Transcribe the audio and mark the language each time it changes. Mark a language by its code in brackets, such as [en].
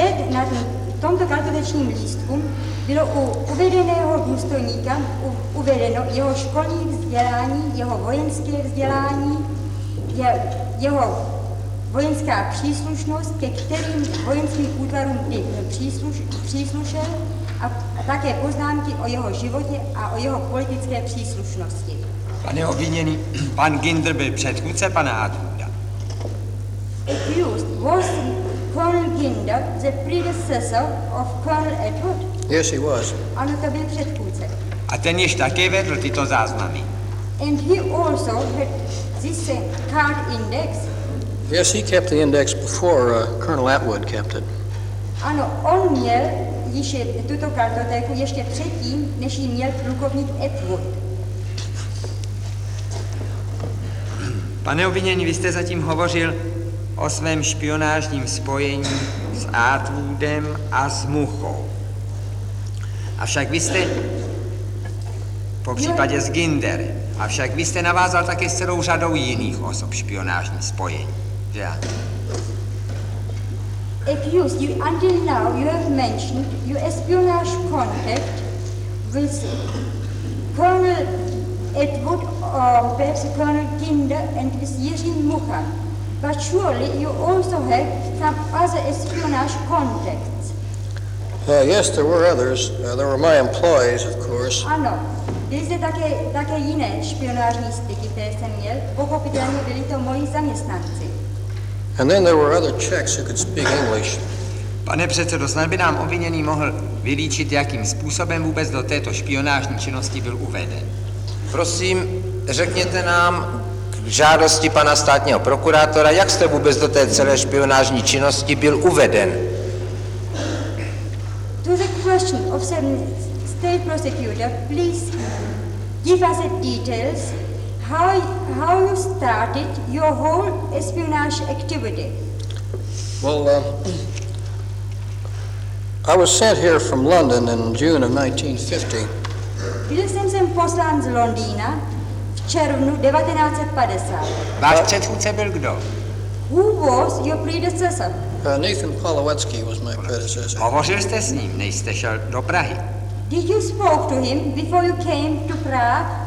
[cs] Na tomto kartotečním lístku bylo u uvedeného důstojníka uvedeno jeho školní vzdělání, jeho vojenské vzdělání, jeho vojenská příslušnost, ke kterým vojenským útvarům příslušel, a také poznámky o jeho životě a o jeho politické příslušnosti. Pane obviněný, pan Ginder byl předchůdce pana Atwooda. [en] Accused was Colonel Ginder the predecessor of Colonel Atwood? Yes, he was. [cs] Ano, to byl předchůdce. A ten již také vedl tyto záznamy. [en] And he also had this card index. Yes, he kept the index before Colonel Atwood kept it. [cs] Ano, on měl již tuto kartotéku ještě předtím, než ji měl plukovník Atwood. Pane obviněný, vy jste zatím hovořil o svém špionážním spojení s Atwoodem a s Muchou. Avšak vy jste, po případě s Ginder, avšak vy jste navázal také s celou řadou jiných osob špionážní spojení. [en] Yeah. Accused, you until now you have mentioned your espionage contact with Colonel Atwood or perhaps Colonel Ginder and with Jiřín Mucha. But surely you also have some other espionage contacts. Yes, there were others. There were my employees, of course. [cs] Ano, byly zde také jiné špionážní styky, které jsem měl. Pochopitelně byli to moji zaměstnanci. [en] And then there were other Czechs who could speak English. [cs] Pane předsedo, snad by nám obviněný mohl vylíčit, jakým způsobem vůbec do této špionážní činnosti byl uveden. Prosím, řekněte nám k žádosti pana státního prokurátora, jak jste vůbec do té celé špionážní činnosti byl uveden. [en] To the question of the state prosecutor, please give us the details. How you started your whole espionage activity? Well, I was sent here from London in June of 1950. [cs] Byl jsem sem poslán z Londýna v červnu 1950. Váš předchůdce byl kdo? [en] Who was your predecessor? Nathan Polowetsky was my predecessor. [cs] Hovořil jste s ním, než jste šel do Prahy? [en] Did you spoke to him before you came to Prague?